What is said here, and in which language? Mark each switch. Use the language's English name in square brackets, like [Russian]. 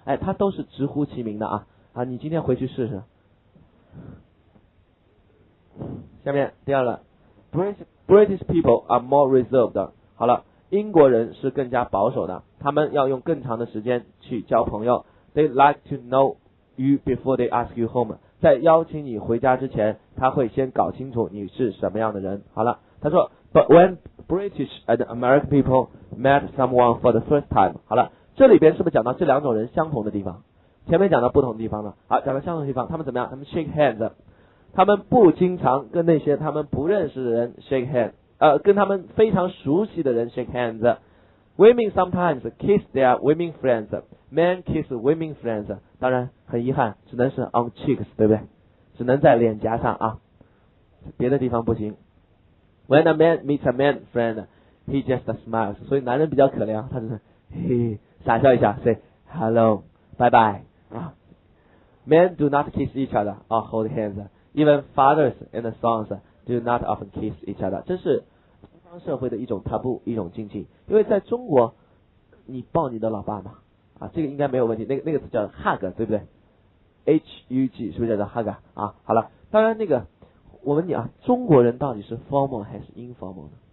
[Chinese] 哎，他都是直呼其名的啊！啊，你今天回去试试。下面第二个 [English] British people are more reserved。 [Chinese] 好了，英国人是更加保守的，他们要用更长的时间去交朋友。 [English] They like to know you before they ask you home。 [Chinese] 在邀请你回家之前，他会先搞清楚你是什么样的人。好了，他说 [English] ，But when British and American people met someone for the first time。 [Chinese] 好了，这里边是不是讲到这两种人相同的地方，前面讲到不同的地方了，好，讲到相同的地方，他们怎么样，他们 shake hands， 他们不经常跟那些他们不认识的人 shake hands， 跟他们非常熟悉的人 shake hands。 [English] Women sometimes kiss their women friends. Men kiss women friends. [Chinese] 当然很遗憾只能是 [English] on cheeks [Chinese] 对不对，只能在脸颊上啊，别的地方不行。 [English] When a man meets a man friend, he just smiles. [Chinese] 所以男人比较可怜，他就是傻笑一下 [English] ，say hello, bye bye. Men do not kiss each other or hold hands. Even fathers and sons do not often kiss each other. [Chinese] 这是西方社会的一种 taboo， 一种禁忌。因为在中国，你抱你的老爸吗？啊，这个应该没有问题。那个词叫 hug， 对不对 ？hug 是不是叫 hug 啊？好了，当然那个我问你啊，中国人到底是 formal 还是 informal 呢？